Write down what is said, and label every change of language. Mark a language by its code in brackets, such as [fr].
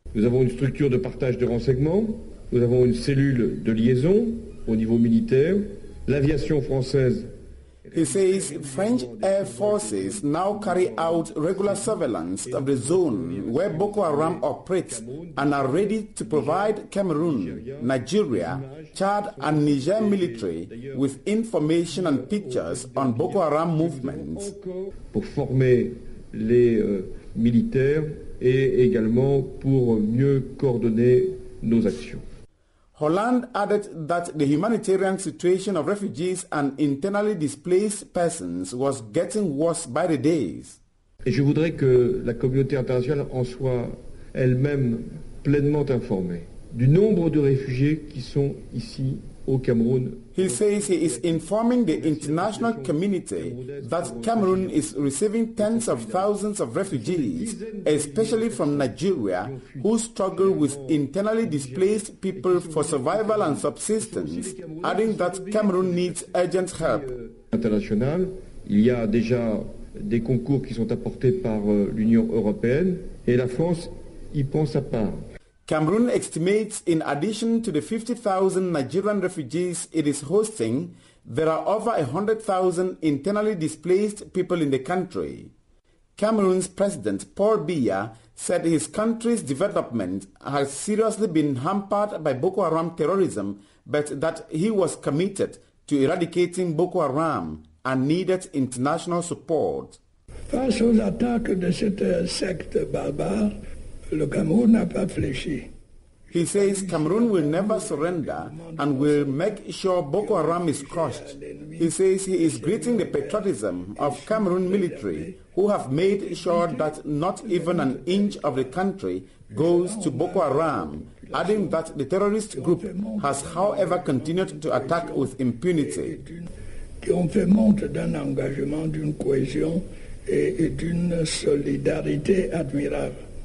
[fr] Nous avons une structure de partage de renseignements, nous avons une cellule de liaison au niveau militaire, l'aviation française. [en] He says French air forces now carry out regular surveillance of the zone where Boko Haram operates and are ready to provide Cameroon, Nigeria, Chad and Niger military with information and pictures on Boko Haram movements. [fr] Pour former les militaires et également pour mieux coordonner nos actions. [en] Holland added that the humanitarian situation of refugees and internally displaced persons was getting worse by the days. [fr] Et je voudrais que la communauté internationale en soit elle-même pleinement informée du nombre de réfugiés qui sont ici au Cameroun. [en] He says he is informing the international community that Cameroon is receiving tens of thousands of refugees, especially from Nigeria, who struggle with internally displaced people for survival and subsistence, adding that Cameroon needs urgent help. [fr] International, il y a déjà des concours qui sont apportés par l'Union européenne et la France y prend sa part. [en] Cameroon estimates, in addition to the 50,000 Nigerian refugees it is hosting, there are over 100,000 internally displaced people in the country. Cameroon's president, Paul Biya, said his country's development has seriously been hampered by Boko Haram terrorism, but that he was committed to eradicating Boko Haram and needed international support. [fr] Face aux attaques de cette secte barbare, le Cameroun n'a pas fléchi. [en] He says Cameroon will never surrender and will make sure Boko Haram is crushed. He says he is greeting the patriotism of Cameroon military who have made sure that not even an inch of the country goes to Boko Haram, adding that the terrorist group has, however, continued to attack with impunity. [fr] Qui ont fait montre d'un engagement, d'une cohésion et d'une solidarité admirable.